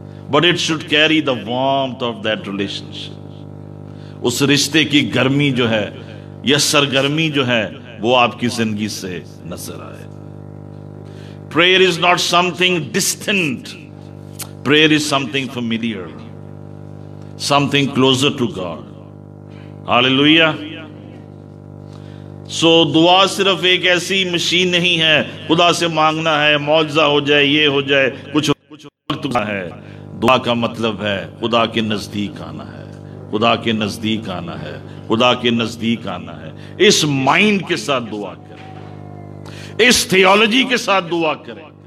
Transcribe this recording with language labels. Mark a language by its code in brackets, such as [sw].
[en] but it should carry the warmth of that relationship, [ur] اس رشتے کی گرمی جو ہے یا سرگرمی جو ہے وہ آپ کی زندگی سے نظر آئے۔ [en] Prayer is not something distant. Prayer is something familiar. Something closer to God. Hallelujah. [ur] So, دعا صرف ایک ایسی مشین نہیں ہے خدا سے مانگنا ہے معجزہ ہو جائے یہ ہو جائے کچھ وقت ہے۔ دعا کا مطلب ہے خدا کے نزدیک آنا ہے، خدا کے نزدیک آنا ہے، خدا کے نزدیک آنا ہے۔ اس مائنڈ کے ساتھ دعا کر، اس تھیولوجی کے ساتھ دعا کریں،